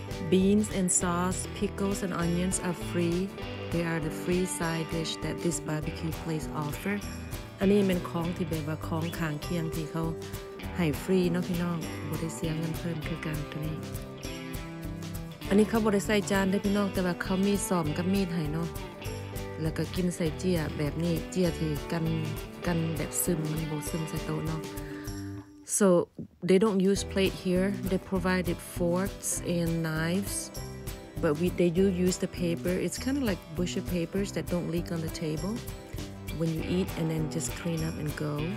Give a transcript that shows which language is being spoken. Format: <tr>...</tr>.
<en>Beans and sauce, pickles and onions are free. They are the free side dish that this barbecue place offer.</en> <th>อันนี้เป็นของที่แบบว่าของข้างเคียงที่เขาให้ฟรีเนาะพี่น้องบ่ได้เสียเงินเพิ่มคือกันตัวนี้อันนี้เขาบ่ได้ใส่จานได้พี่น้องแต่ว่าเขามีซ่อมกับมีดให้เนาะแล้วก็กินใส่เจี๊ยแบบนี้เจี๊ยที่กันแบบซึมมันบ่ซึมใส่โต๊ะเนาะ</th> <en>So they don't use plate here. They provided forks and knives, but they do use the paper. It's kind of like bush of papers that don't leak on the table. When you eat and then just clean up and go.</en>